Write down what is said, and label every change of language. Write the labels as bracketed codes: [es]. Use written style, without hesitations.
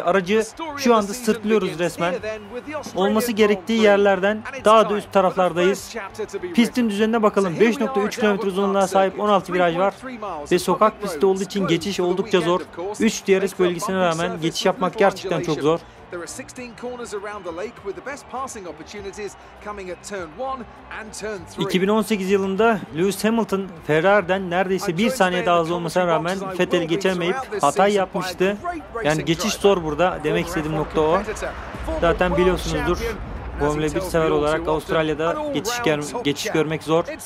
[tr] Aracı şu anda sırtlıyoruz resmen. Olması gerektiği yerlerden daha da üst taraflardayız. Pistin düzenine bakalım. 5.3 km uzunluğuna sahip 16 viraj var. Ve sokak pisti olduğu için geçiş oldukça zor. 3 DRS bölgesine rağmen geçiş yapmak gerçekten çok zor. [en] There are 16 corners around the lake with the best passing opportunities coming at turn 1 and turn 3. [tr] 2018 yılında Lewis Hamilton Ferrari'den neredeyse 1 saniye daha hızlı olmasına rağmen Vettel'i geçemeyip hata yapmıştı. Yani geçiş zor burada demek istediğim nokta o. Zaten biliyorsunuzdur. Formula 1 sever olarak Avustralya'da geçiş görmek zor.